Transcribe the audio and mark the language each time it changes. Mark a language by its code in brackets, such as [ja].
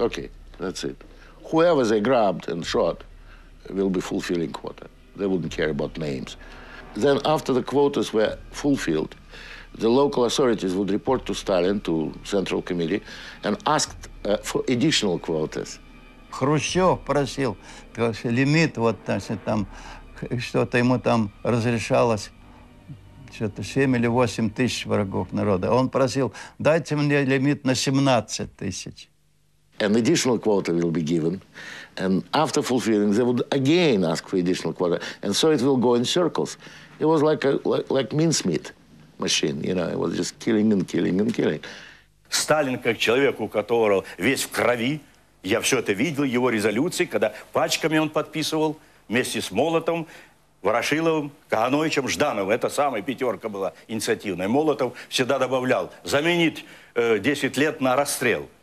[en] Okay, that's it. Whoever they grabbed and shot will be fulfilling quota. They wouldn't care about names. Then after the quotas were fulfilled, the local authorities would report to Stalin, to Central Committee, and asked for additional quotas. [ru] Хрущев просил, лимит вот там, что-то ему там разрешалось, что-то 7 или 8 тысяч врагов народа. Он просил, дайте мне лимит на 17 тысяч. [en] An additional quota will be given, and after fulfilling, they would again ask for additional quota, and so it will go in circles. It was like mincemeat machine, you know, it was just killing and killing and killing. [ru] Сталин, как человек, у которого весь в крови, я все это видел, его резолюции, когда пачками он подписывал, вместе с Молотовым, Ворошиловым, Кагановичем, Ждановым. Это самая пятерка была инициативная. Молотов всегда добавлял, заменить 10 лет на расстрел.